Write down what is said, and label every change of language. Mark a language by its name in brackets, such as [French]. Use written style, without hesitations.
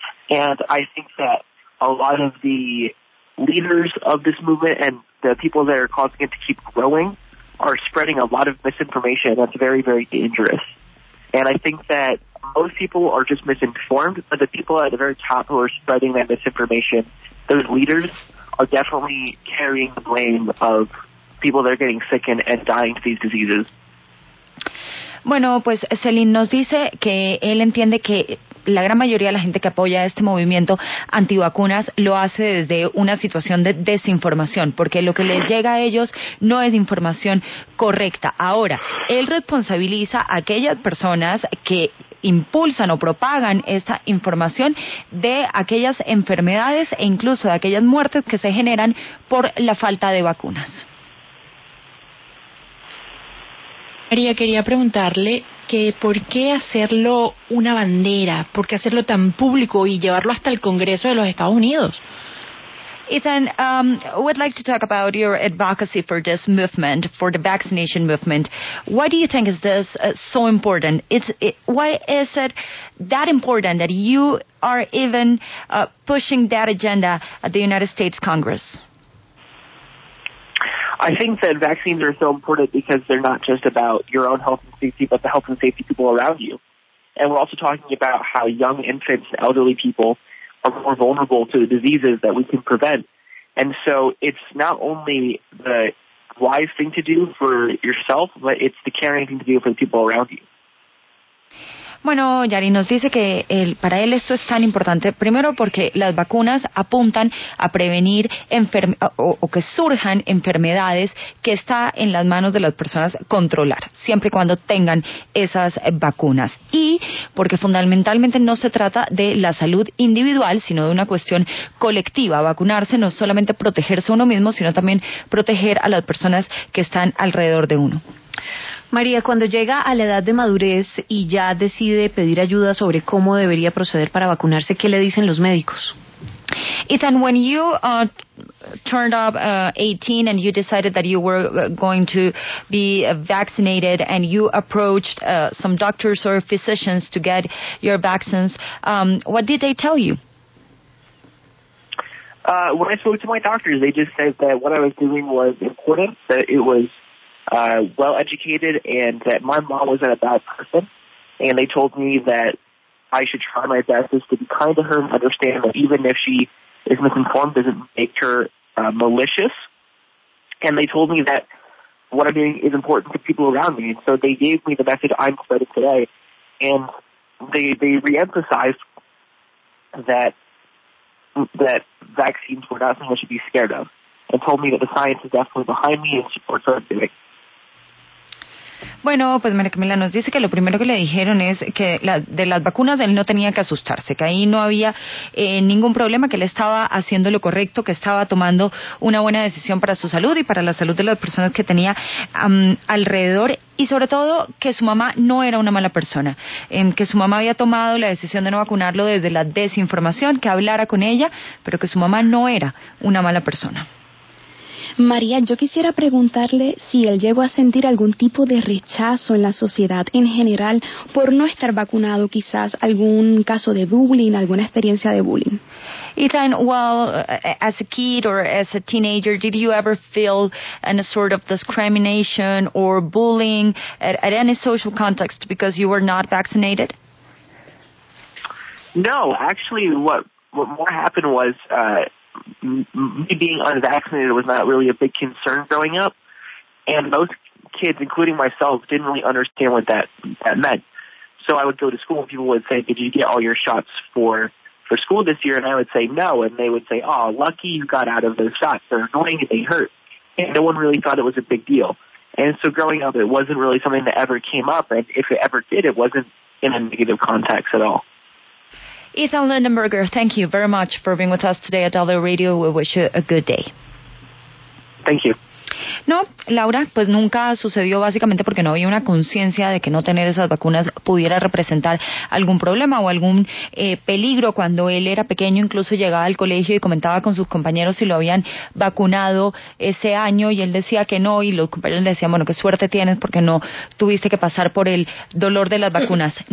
[English] And I think that a lot of the leaders of this movement and the people that are causing it to keep growing are spreading a lot of misinformation that's very, very dangerous. And I think that most people are just misinformed, but the people at the very top who are spreading that misinformation, those leaders are definitely carrying the blame of people that are getting sick and dying to these diseases. [Spanish] Bueno, pues Celine nos dice que él entiende que la gran mayoría de la gente que apoya este movimiento antivacunas lo hace desde una situación de desinformación, porque lo que les llega a ellos no es información correcta. Ahora, él responsabiliza a aquellas personas que impulsan o propagan esta información de aquellas enfermedades e incluso de aquellas muertes que se generan por la falta de vacunas. María, quería preguntarle que por qué hacerlo una bandera, por qué hacerlo tan público y llevarlo hasta el Congreso de los Estados Unidos. [English] Ethan, we'd like to talk about your advocacy for this movement, for the vaccination movement. Why do you think is this so important? Why is it that important that you are even pushing that agenda at the United States Congress? I think that vaccines are so important because they're not just about your own health and safety, but the health and safety of people around you. And we're also talking about how young infants and elderly people are more vulnerable to the diseases that we can prevent. And so it's not only the wise thing to do for yourself, but it's the caring thing to do for the people around you. [Spanish] Bueno, Yari nos dice que para él esto es tan importante, primero porque las vacunas apuntan a prevenir o que surjan enfermedades que está en las manos de las personas controlar, siempre y cuando tengan esas vacunas. Y porque fundamentalmente no se trata de la salud individual, sino de una cuestión colectiva. Vacunarse no es solamente protegerse a uno mismo, sino también proteger a las personas que están alrededor de uno. María, cuando llega a la edad de madurez y ya decide pedir ayuda sobre cómo debería proceder para vacunarse, ¿qué le dicen los médicos? [English] Ethan, when you turned up 18 and you decided that you were going to be vaccinated and you approached some doctors or physicians to get your vaccines, what did they tell you? When I spoke to my doctors, they just said that what I was doing was important, that it was well-educated, and that my mom wasn't a bad person, and they told me that I should try my best to be kind to her and understand that even if she is misinformed, doesn't make her malicious, and they told me that what I'm doing is important to people around me, and so they gave me the message I'm spreading today, and they reemphasized that that vaccines were nothing I should be scared of, and told me that the science is definitely behind me and supports what I'm doing. [Spanish] Bueno, pues María Camila nos dice que lo primero que le dijeron es que de las vacunas él no tenía que asustarse, que ahí no había ningún problema, que él estaba haciendo lo correcto, que estaba tomando una buena decisión para su salud y para la salud de las personas que tenía alrededor, y sobre todo que su mamá no era una mala persona, que su mamá había tomado la decisión de no vacunarlo desde la desinformación, que hablara con ella, pero que su mamá no era una mala persona. María, yo quisiera preguntarle si él llegó a sentir algún tipo de rechazo en la sociedad en general por no estar vacunado, quizás algún caso de bullying, alguna experiencia de bullying. [English] Ethan, well, as a kid or as a teenager, did you ever feel any sort of discrimination or bullying at any social context because you were not vaccinated? No, actually, what more happened was... Me being unvaccinated was not really a big concern growing up, and most kids, including myself, didn't really understand what that meant. So I would go to school, and people would say, "Did you get all your shots for school this year?" And I would say, "No," and they would say, "Oh, lucky you got out of those shots. They're annoying and they hurt." And no one really thought it was a big deal. And so growing up, it wasn't really something that ever came up, and if it ever did, it wasn't in a negative context at all. Ethan Lindenberger, thank you very much for being with us today at W Radio. We wish you a good day. Thank you. [Spanish] No, Laura, pues nunca sucedió básicamente porque no había una conciencia de que no tener esas vacunas pudiera representar algún problema o algún peligro. Cuando él era pequeño, incluso llegaba al colegio y comentaba con sus compañeros si lo habían vacunado ese año y él decía que no, y los compañeros le decían, bueno, qué suerte tienes porque no tuviste que pasar por el dolor de las vacunas.